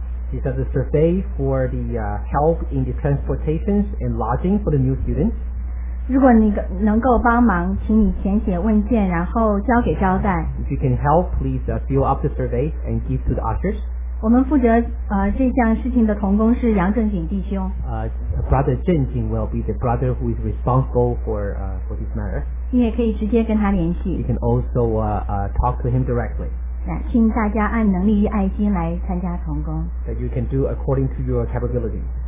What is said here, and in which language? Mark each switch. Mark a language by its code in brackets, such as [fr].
[en] This is a survey for the help in the transportation and lodging for the new students [zh] 如果你能够帮忙请你填写问卷然后交给招待 [en] If you can help please fill up the survey and give to the ushers [zh] 我们负责这项事情的同工是杨正景弟兄。 [en] Brother 正景 will be the brother who is responsible for this matter. [zh] 你也可以直接跟他联系。 [en] You can also talk to him directly. [zh] 请大家按能力与爱心来参加同工。 [en] That you can do according to your capability.